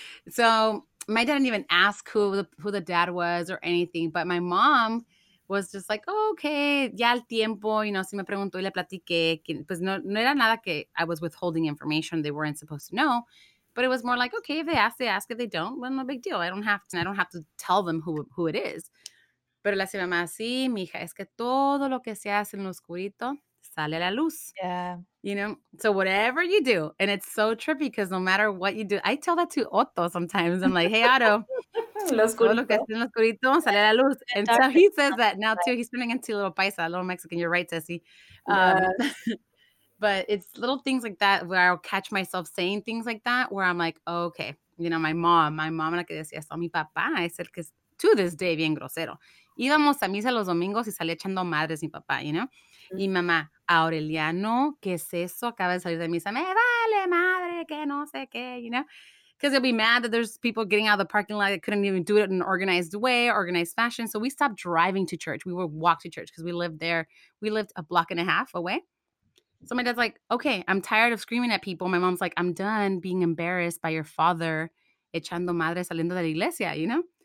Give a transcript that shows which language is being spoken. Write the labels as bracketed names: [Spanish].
[English] So my dad didn't even ask who the dad was or anything, but my mom was just like, oh, okay, [Spanish] ya el tiempo, [English] you know, [Spanish] si me preguntó y le platiqué, pues no era nada que [English] I was withholding information they weren't supposed to know. But it was more like, okay, if they ask, they ask. If they don't, well, no big deal. I don't have to tell them who it is. [Spanish] Pero la mamá, sí, mija, es que todo lo que se hace en lo oscurito sale a la luz. [English] Yeah. You know? So whatever you do, and it's so trippy because no matter what you do, I tell that to Otto sometimes. I'm like, hey, Otto, [Spanish] todo lo que se hace en lo oscurito sale a la luz. [English] And so he says that now too. He's turning into a little paisa, a little Mexican. You're right, Ceci. Yeah. But it's little things like that where I'll catch myself saying things like that where I'm like, oh, okay, you know, my mom, [Spanish] la que decía, [English] so [Spanish] mi papá, [English] I said, because to this day, [Spanish] bien grosero. Íbamos a misa los domingos y salía echando madres mi papá, [English] you know? [Spanish] Mm-hmm. Y mamá, Aureliano, ¿qué es eso? Acaba de salir de misa, me vale madre, que no sé qué, [English] you know? Because they'll be mad that there's people getting out of the parking lot that couldn't even do it in an organized fashion. So we stopped driving to church. We would walk to church because we lived there. We lived a block and a half away. So my dad's like, okay, I'm tired of screaming at people. My mom's like, I'm done being embarrassed by your father [Spanish] echando madre saliendo de la iglesia, [English] you know?